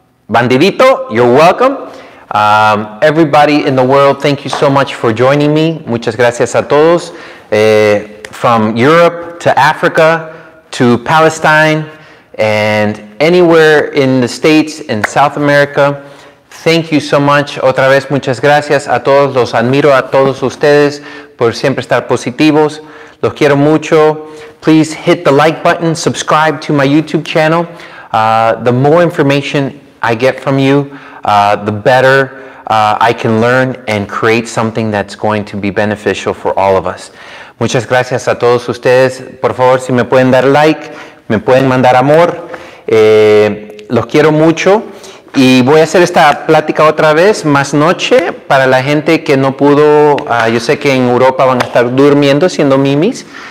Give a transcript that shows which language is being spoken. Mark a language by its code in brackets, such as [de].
[en] Bandidito, you're welcome. Everybody in the world, thank you so much for joining me. [es] Muchas gracias a todos. [en] From Europe to Africa to Palestine and anywhere in the States and South America, thank you so much. [es] Otra vez, muchas gracias a todos. Los admiro a todos ustedes por siempre estar positivos. Los quiero mucho. [en] Please hit the like button, subscribe to my YouTube channel. The more information I get from you, the better I can learn and create something that's going to be beneficial for all of us. [es] Muchas gracias a todos ustedes. Por favor, si me pueden dar like, me pueden mandar amor. Los quiero mucho. Y voy a hacer esta plática otra vez, más noche, para la gente que no pudo. Yo sé que en Europa van a estar durmiendo, siendo mimis.